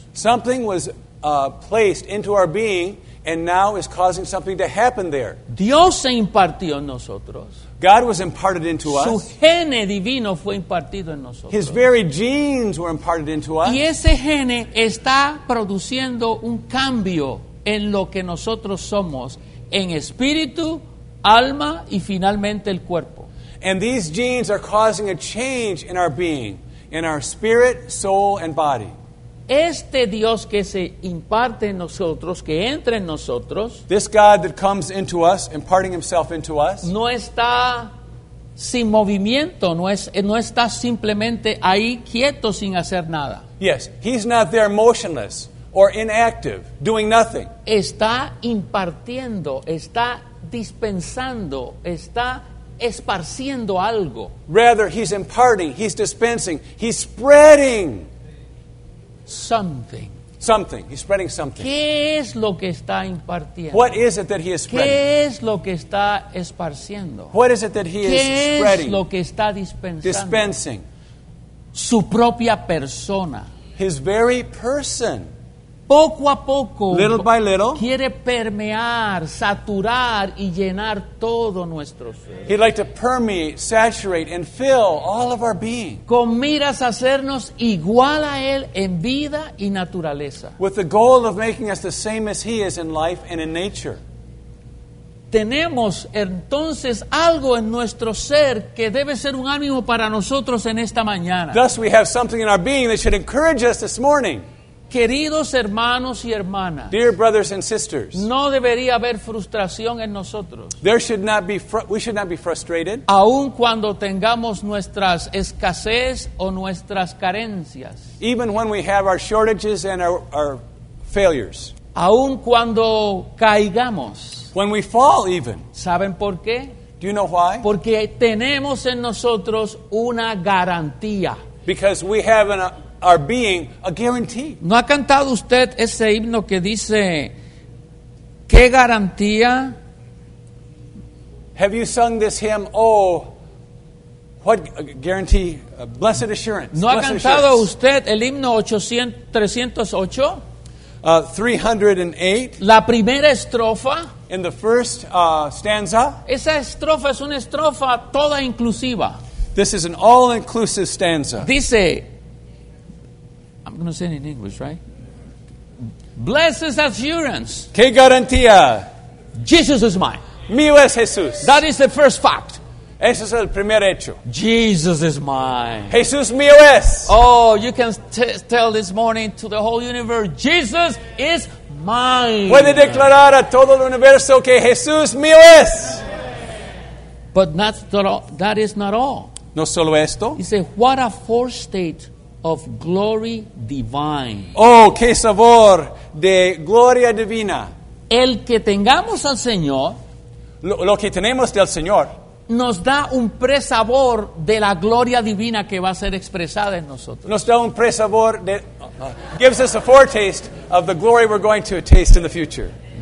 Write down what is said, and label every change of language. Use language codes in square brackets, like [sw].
[en] Something was placed into our being and now is causing something to happen there. [es] Dios se impartió en nosotros. [en] God was imparted into [es] su [en] us. [es] Su gene divino fue impartido en nosotros. [en] His very genes were imparted into us. [es] Y ese gene está produciendo un cambio en lo que nosotros somos, en espíritu, alma y finalmente el cuerpo. [en] And these genes are causing a change in our being, in our spirit, soul, and body. [es] Este Dios que se imparte en nosotros, que entra en nosotros, [en] this God that comes into us, imparting himself into us, [es] no está sin movimiento, no está simplemente ahí quieto sin hacer nada. [en] Yes, he's not there motionless or inactive, doing nothing. [es] Está impartiendo, está dispensando, está esparciendo algo. [en] Rather, he's imparting, he's dispensing, he's spreading something. Something. He's spreading something. [es] ¿Qué es lo que está impartiendo? [en] What is it that he is spreading? [es] ¿Qué es lo que está esparciendo? [en] What is it that he [es] ¿Qué [en] is spreading? [es] Es lo que está dispensando? [en] Dispensing. [es] Su propia persona. [en] His very person. [es] Poco a poco, [en] little by little, [es] quiere permear, saturar y llenar todo nuestro ser. [en] He'd like to permeate, saturate, and fill all of our being. [es] Con miras a hacernos igual a Él en vida y naturaleza. [en] With the goal of making us the same as He is in life and in nature. [es] Tenemos entonces algo en nuestro ser que debe ser un ánimo para nosotros en esta mañana. [en] Thus we have something in our being that should encourage us this morning. [es] Queridos hermanos y hermanas, [en] dear brothers and sisters, [es] no debería haber frustración en nosotros. [en] There should not be we should not be frustrated. [es] Aun cuando tengamos nuestras escasez o nuestras carencias. [en] Even when we have our shortages and our failures. [es] Aun cuando caigamos. [en] When we fall even. [es] ¿Saben por qué? [en] Do you know why? [es] Porque tenemos en nosotros una garantía. [en] Because we have our being a guarantee. [es] ¿No ha cantado usted ese himno que dice qué garantía? [en] Have you sung this hymn? Oh, what guarantee? Blessed assurance. [es] ¿No ha cantado usted el himno 808? [en] 308. [es] La primera estrofa. [en] In the first stanza. [es] Esa estrofa es una estrofa toda inclusiva. [en] This is an all-inclusive stanza. [es] Dice, [en] I'm going to say it in English, right? Blesses assurance. [es] ¿Qué garantía? [en] Jesus is mine. [es] Mío es Jesús. [en] That is the first fact. [es] Ese es el primer hecho. [en] Jesus is mine. [es] Jesús mío es. [en] Oh, you can tell this morning to the whole universe, Jesus is mine. [es] Puede declarar a todo el universo que Jesús mío es. [en] But that is not all. [es] No solo esto. [en] He said, what a foretaste of glory divine. [es] Oh, qué sabor de gloria divina. El que tengamos al Señor. Lo que tenemos del Señor. Nos da un presabor de la gloria divina que va a ser expresada en nosotros. Nos da un presabor de... [en] gives us a foretaste of the glory we're going to taste in the future.